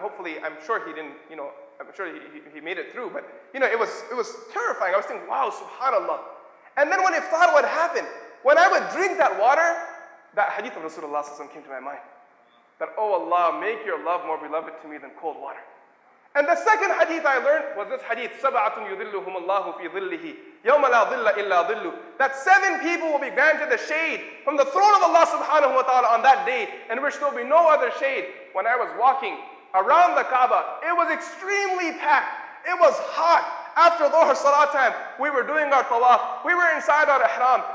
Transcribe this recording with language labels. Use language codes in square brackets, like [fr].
[en] Hopefully, I'm sure he didn't, you know, I'm sure he made it through. But, you know, it was terrifying. I was thinking, wow, subhanAllah. And then when iftar would happen, when I would drink that water, that hadith of Rasulullah sallallahu alayhi wa sallam came to my mind. That, oh Allah, make your love more beloved to me than cold water. And the second hadith I learned was this hadith, [ar] سَبْعَةٌ يُذِلُّهُمُ اللَّهُ فِي ظِلِّهِ يَوْمَ لَا ظِلَّ إِلَّا ظِلُّ. [en] That seven people will be granted the shade from the throne of Allah subhanahu wa ta'ala on that day, in which there will be no other shade. When I was walking around the Kaaba, it was extremely packed. It was hot. After Dhuhr Salah time, we were doing our tawaf. We were inside our ihram.